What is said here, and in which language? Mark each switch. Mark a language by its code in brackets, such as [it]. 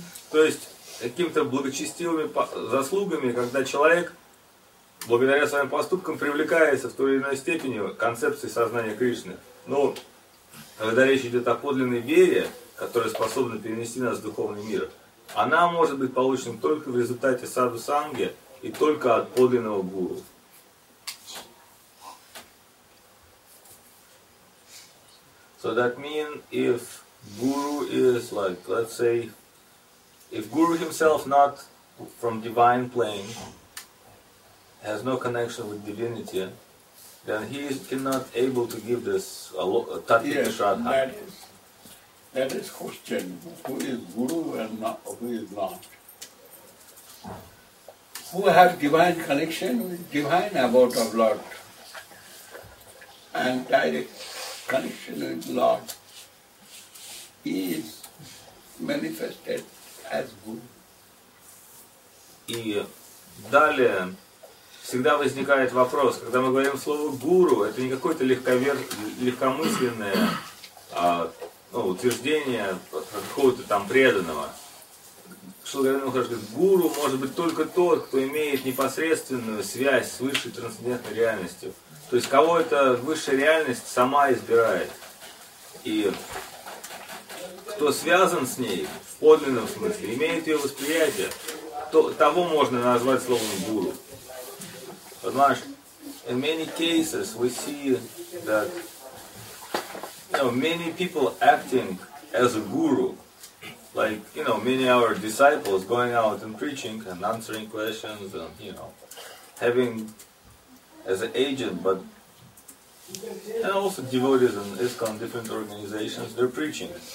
[ru] То есть, какими-то благочестивыми заслугами, когда человек, благодаря своим поступкам, привлекается в той или иной степени к концепции сознания Кришны. Но, когда речь идет о подлинной вере, которая способна перенести нас в духовный мир, она может быть получена только в результате саду-санги и только от подлинного гуру. [en] So that means if Guru is like, let's say, if Guru himself not from divine plane, has no connection with divinity, then he is cannot able to give this a tattva shraddha. Yes, that is question, who is Guru and not, who is not? Who have divine connection with divine about of Lord and direct connection with Lord, he is manifested as Guru. [ru] И далее всегда возникает вопрос, когда мы говорим слово Гуру, это не какое-то легкомысленное утверждение какого-то там преданного. Шилгарин Махарадж говорит, Гуру может быть только тот, кто имеет непосредственную связь с высшей трансцендентной реальностью. То есть, кого эта высшая реальность сама избирает. И кто связан с ней в подлинном смысле, имеет ее восприятие, того можно назвать словом Гуру. Понимаешь, [en] in many cases we see that many people acting as a guru. Like, many of our disciples going out and preaching and answering questions and, having as an agent, but and also devotees and ISKCON, different organizations, they're preaching.